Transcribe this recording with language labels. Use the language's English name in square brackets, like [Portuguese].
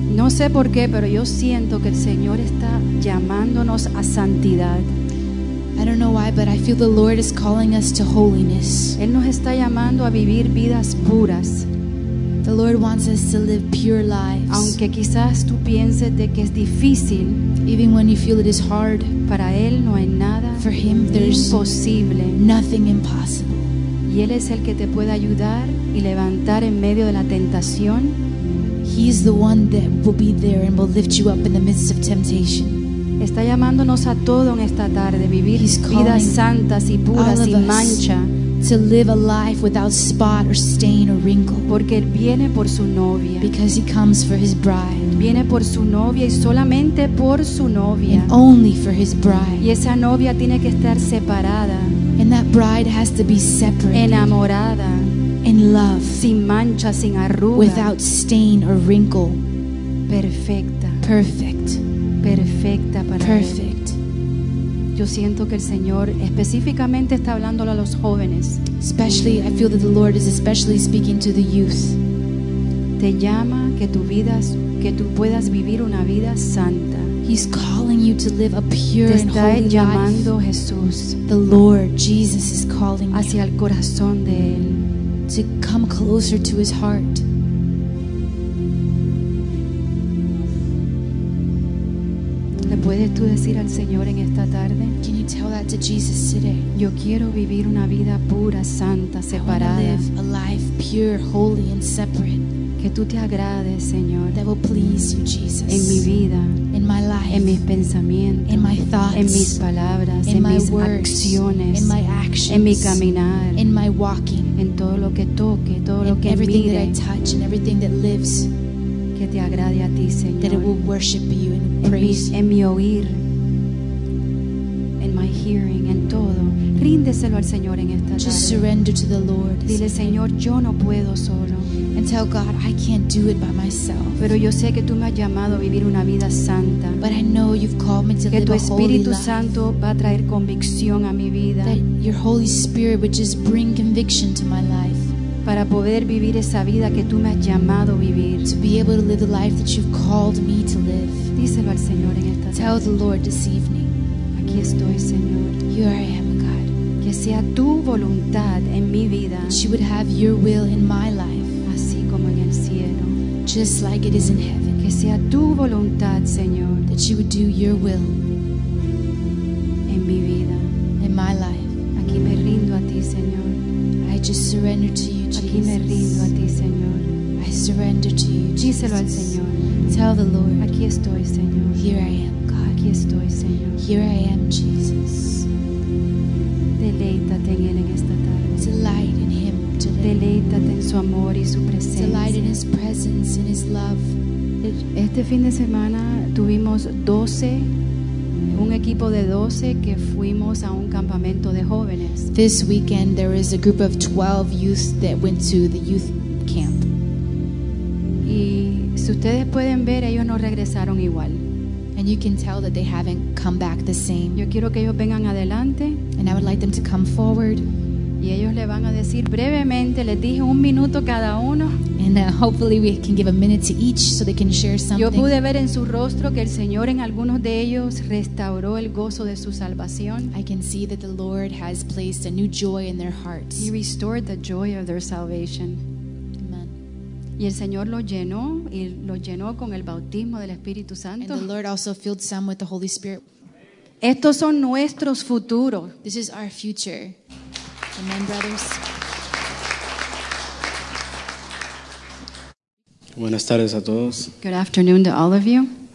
[Spanish] sé por qué, pero yo siento que el Señor está llamándonos a santidad. [English] I don't know why, but I feel the Lord is calling us to holiness. [Spanish] Él nos está llamando a vivir vidas puras. [English] The Lord wants us to live pure lives. [Spanish] Aunque quizás tú pienses de que es difícil, [English] even when you feel it is hard, [Spanish] para él no hay nada [English] for him, [Spanish] imposible. [English] Nothing impossible. [Spanish] Y él es el que te puede ayudar y levantar en medio de la tentación. [English] He is the one that will be there and will lift you up in the midst of temptation. [Spanish] Está llamándonos a todo en esta tarde, vivir vidas santas y puras sin mancha. [English] To live a life without spot or stain or wrinkle. [Spanish] Porque él viene por su novia. [English] Because he comes for his bride. [Spanish] Viene por su novia y solamente por su novia. [English] And only for his bride. [Spanish] Y esa novia tiene que estar separada. [English] And that bride has to be separated. [Spanish] Enamorada. [English] In love. [Spanish] Sin mancha, sin arruga. [English] Without stain or wrinkle. [Spanish] Perfecta. [English] Perfect. [Spanish] Perfecta para [English] perfect. [Spanish] Yo siento que el Señor específicamente está hablándolo a los jóvenes. [English] Especially, I feel that the Lord is especially speaking to the youth. [Spanish] Te llama que tu vida, que tú puedas vivir una vida santa. [English] He's calling you to live a pure and holy life. [Spanish] Te está llamando Jesús. [English] The Lord Jesus is calling [Spanish] hacia el corazón de él. [English] To come closer to his heart. [Spanish] ¿Puedes tú decir al Señor en esta tarde? [English] Can you tell that to Jesus today? [Spanish] Yo quiero vivir una vida pura, santa, separada. [English] I want to live a life pure, holy, and separate. [Spanish] Que tú te agrades, Señor. [English] That will please you, Jesus. [Spanish] En mi vida. [English] In my life. [Spanish] En mis pensamientos. [English] In my thoughts. [Spanish] En mis palabras. [English] In my words. [Spanish] Acciones. [English] In my actions. [Spanish] En mi caminar. [English] In my walking. [Spanish] En todo lo que toque, todo lo que [English] everything [Spanish] mire. [English] That I touch and everything that lives. [Spanish] Que te agrade a ti, Señor. [English] That it will worship you and praise. [Spanish] En mi oír, en [English] my hearing, [Spanish] en todo. Ríndeselo al Señor en esta tarde. [English] Just surrender to the Lord. [Spanish] Dile, Señor, yo no puedo solo. [English] And tell God, I can't do it by myself. [Spanish] Pero yo sé que tú me has llamado a vivir una vida santa. [English] But I know you've called me to live a holy life. [Spanish] Que tu Espíritu Santo va a traer convicción a mi vida. [English] That your Holy Spirit would just bring conviction to my life. [Spanish] Para poder vivir esa vida que tú me has llamado a vivir. [English] To be able to live the life that you've called me to live. [Spanish] Díselo al Señor en esta [English] tell the Lord this evening. [Spanish] Aquí estoy, Señor. [English] Here I am, God. [Spanish] Que sea tu voluntad en mi vida. [English] That she would have your will in my life. [Spanish] Así como en el cielo. [English] Just like it is in heaven. [Spanish] Que sea tu voluntad, Señor. [English] That she would do your will. [Spanish] En mi vida. [English] In my life. [Spanish] Aquí me rindo a ti, Señor. [English] I just surrender to you. [Spanish] Aquí me rindo a ti, Señor. [English] I surrender to you. [Spanish] Díselo al Señor. [English] Tell the Lord. [Spanish] Aquí estoy, Señor. [English] Here I am, God. [Spanish] Aquí estoy, Señor. [English] Here I am, Jesus. [Spanish] Deleítate en él en esta tarde. [English] Delight in him today. [Spanish] Deleítate en su amor y su presencia. [English] Delight in his presence and his love. [Spanish] Este fin de semana tuvimos 12 un equipo de 12 que fuimos a un campamento de jóvenes. [English] This weekend there is a group of 12 youth that went to the youth camp. [Spanish] Y si ustedes pueden ver, ellos no regresaron igual. [English] And you can tell that they haven't come back the same. [Spanish] Yo quiero que ellos vengan adelante. [English] And I would like them to come forward. [Spanish] Y ellos le van a decir brevemente, les dije un minuto cada uno. [English] And hopefully we can give a minute to each so they can share something. [Spanish] Yo pude ver en su rostro que el Señor en algunos de ellos restauró el gozo de su salvación. [English] I can see that the Lord has placed a new joy in their hearts. He restored the joy of their salvation. Amen. [Spanish] Y el Señor lo llenó con el bautismo del Espíritu Santo. [English] And the Lord also filled some with the Holy Spirit. [Spanish] Estos son nuestros futuros. [English] This is our future. Amen, brothers. [Spanish] Buenas tardes a todos. [English] Good afternoon to all of you.